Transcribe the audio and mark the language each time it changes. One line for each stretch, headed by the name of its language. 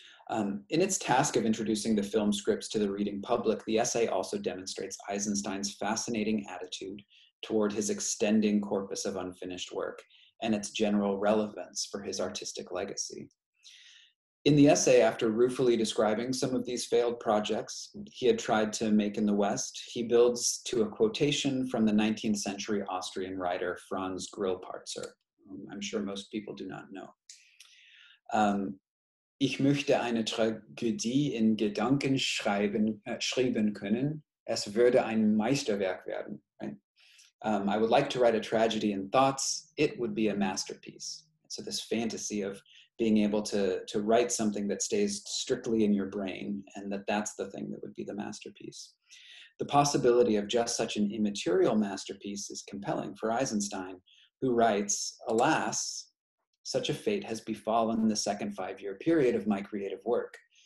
English: In its task of introducing the film scripts to the reading public, the essay also demonstrates Eisenstein's fascinating attitude toward his extending corpus of unfinished work and its general relevance for his artistic legacy. In the essay, after ruefully describing some of these failed projects he had tried to make in the West, he builds to a quotation from the 19th century Austrian writer Franz Grillparzer, whom I'm sure most people do not know.
German: Ich möchte eine Tragödie in Gedanken schreiben können. Es würde ein Meisterwerk werden.
English: Right? I would like to write a tragedy in thoughts. It would be a masterpiece. So this fantasy of being able to write something that stays strictly in your brain, and that's the thing that would be the masterpiece. The possibility of just such an immaterial masterpiece is compelling for Eisenstein, who writes, alas, such a fate has befallen the second 5-year period of my creative work.